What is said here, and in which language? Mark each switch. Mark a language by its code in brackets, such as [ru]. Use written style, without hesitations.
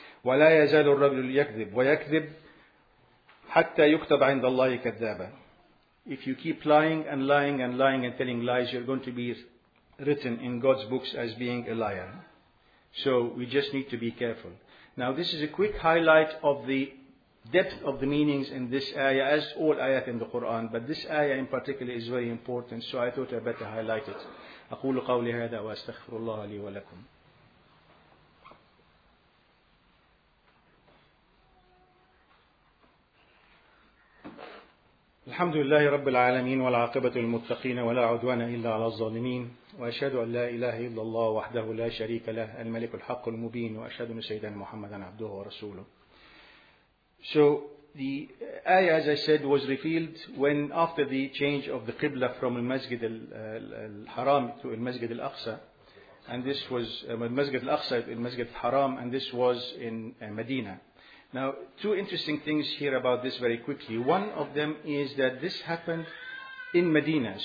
[ar] وَلَا يَزَالُ الرَّجُلُ يَكْذِبُ وَيَكْذِبُ حَتَّى يُكْتَبَ عِنْدَ اللَّهِ كَذَّابًا [en] If you keep lying and lying and lying and telling lies, you're going to be written in God's books as being a liar. So we just need to be careful. Now this is a quick highlight of the depth of the meanings in this ayah, as all ayat in the Quran. But this ayah in particular is very important, so I thought I better highlight it. [ar] أقول قولي هذا وأستغفر الله لي ولكم. الحمد لله رب العالمين والعاقبة للمتقين ولا عدوان إلا على الظالمين وأشهد أن لا إله إلا الله وحده لا شريك له الملك الحق المبين وأشهد أن سيدنا محمدا عبده ورسوله. [en] So the ayah, as I said, was revealed when after the change of the qibla from al-Masjid al-Haram to al-Masjid al-Aqsa, and this was al-Masjid al-Aqsa to al-Masjid al-Haram, and this was in Medina. Now, two interesting things here about this very quickly. One of them is that this happened in Medina.